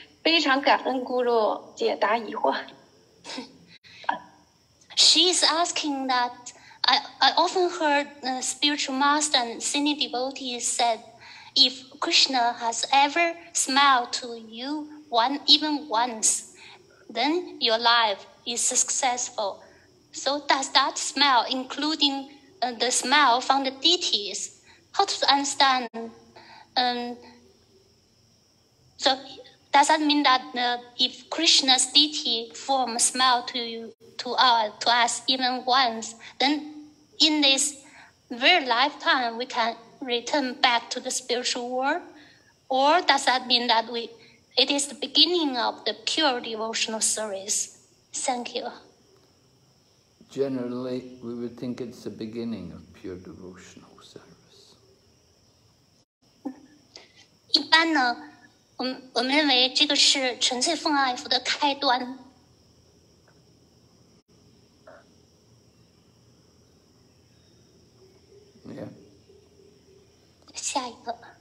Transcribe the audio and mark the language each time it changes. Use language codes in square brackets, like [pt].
[zh] 非常感恩咕噜解答疑惑。 [en] She is asking that. I often heard the spiritual master and senior devotees said, if Krishna has ever smiled to you even once, then your life is successful. So does that smile, including the smile from the deities, how to understand? So does that mean that if Krishna's deity form smile to you, to us even once, then... In this very lifetime, we can return back to the spiritual world? Or does that mean that it is the beginning of the pure devotional service? Thank you. Generally, we would think it's the beginning of pure devotional service. [zh] 一般呢，我们认为这个是纯粹奉爱服的开端。下一个。